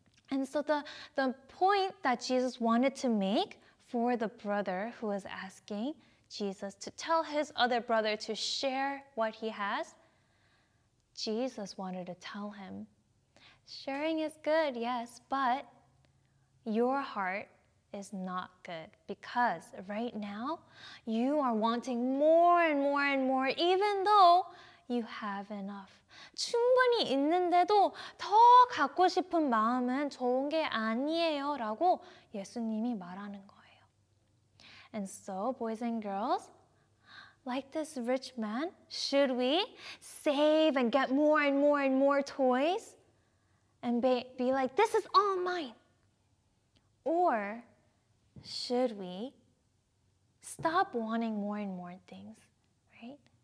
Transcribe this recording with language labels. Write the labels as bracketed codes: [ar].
[en] And so the point that Jesus wanted to make for the brother who was asking Jesus to tell his other brother to share what he has, Jesus wanted to tell him, sharing is good, yes, but your heart is not good because right now you are wanting more and more and more even though you have enough. [ko] 충분히 있는데도 더 갖고 싶은 마음은 좋은 게 아니에요 라고 예수님이 말하는 거예요. [en] And so, boys and girls, like this rich man, should we save and get more and more and more toys and be like, this is all mine? Or should we stop wanting more and more things, right?